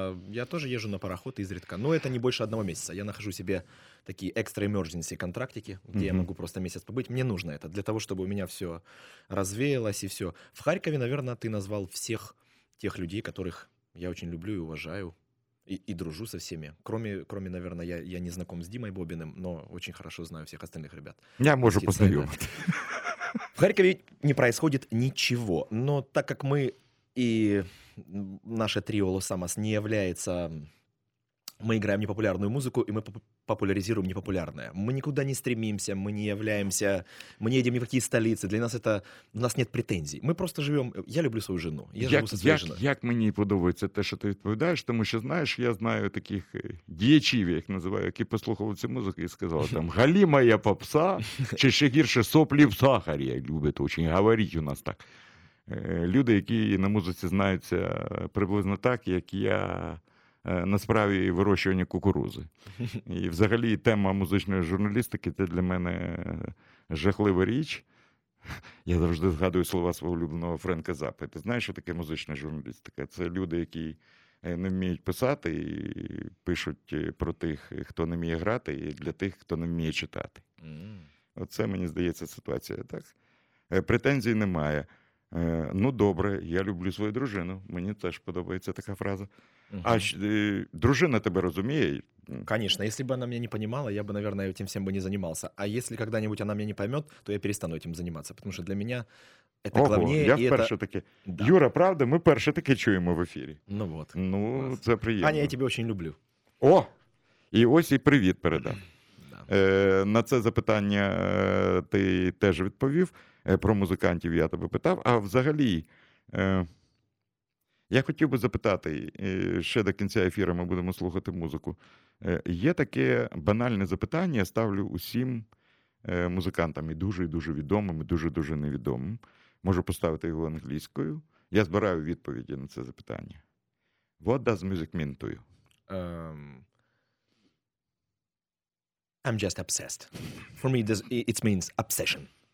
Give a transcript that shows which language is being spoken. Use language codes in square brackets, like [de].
[uk] Я теж їжу на пароход ізрідка. Ну, це не більше одного місяця. Я нахожу себе такі екстра-емердженсі контрактики, де я можу просто місяць побити. Мені потрібно це для того, щоб у мене все розвіялось і все. В Харкові, мабуть, ти назвав всіх тих людей, яких я дуже люблю і уважаю. [ru] И дружу со всеми. Кроме, наверное, я не знаком с Димой Бобиным, но очень хорошо знаю всех остальных ребят. Я могу познакомить. В Харькове не происходит ничего. Но так как мы и наше трио Лос-Амос не является... Мы играем непопулярную музыку, и мы популяризируем непопулярное. Мы никуда не стремимся, мы не являемся... Мы не едем ни в какие столицы. Для нас это... У нас нет претензий. Мы просто живем... Я люблю свою жену. Я живу со своей женой. [uk] Як мені подобається те, що ти відповідаєш? Тому що, знаєш, я знаю таких діячів, я їх називаю, які послухали цю музику і сказали там, галі моя попса, чи ще гірше, соплі в сахарі. Любить дуже говорити у нас так. Люди, які на музиці знаються приблизно так, як я... на справі вирощування кукурузи. І взагалі тема музичної журналістики – це для мене жахлива річ. Я завжди згадую слова свого улюбленого Френка Заппи. Ти знаєш, що таке музична журналістика? Це люди, які не вміють писати і пишуть про тих, хто не вміє грати, і для тих, хто не вміє читати. Оце, мені здається, ситуація так. Претензій немає. Ну, добре, я люблю свою дружину. Мені теж подобається така фраза. А дружина тебе розуміє? [ru] Конечно, если бы она меня не понимала, я бы, наверное, этим всем бы не занимался. А если когда-нибудь она меня не поймет, то я перестану этим заниматься, потому что для меня это ого, главнее. [uk] Ого, я вперше таки. Да. Юра, правда, мы вперше таки чуємо в ефірі. [ru] Ну вот. [uk] Ну, вас. Це приємно. [ru] Аня, я тебе очень люблю. [uk] О, і ось і привіт передам. На це запитання ти теж відповів, про музикантів я тебе питав, а взагалі... Я хотів би запитати, ще до кінця ефіру ми будемо слухати музику. Є таке банальне запитання, я ставлю усім музикантам, і дуже відомим, і дуже-дуже невідомим. Можу поставити його англійською. Я збираю відповіді на це запитання. [en] What does music mean to you? I'm just obsessed. For me, it means obsession.